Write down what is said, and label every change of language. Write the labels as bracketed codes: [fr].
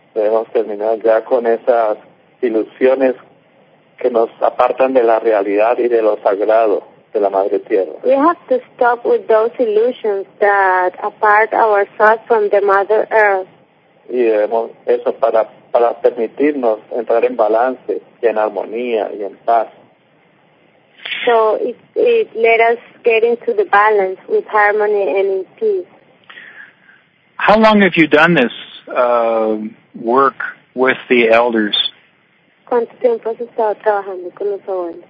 [es] Debemos terminar ya con esas ilusiones que nos apartan de la realidad y de lo sagrado de la madre tierra. [en] We have to stop with those illusions that apart ourselves from the mother earth. [es] Y debemos eso para permitirnos entrar en balance y en armonía y en paz. [en] So it let us get into the balance with harmony and in peace. How long have you done this work with the elders? [es] ¿Cuánto tiempo has estado trabajando con los abuelos?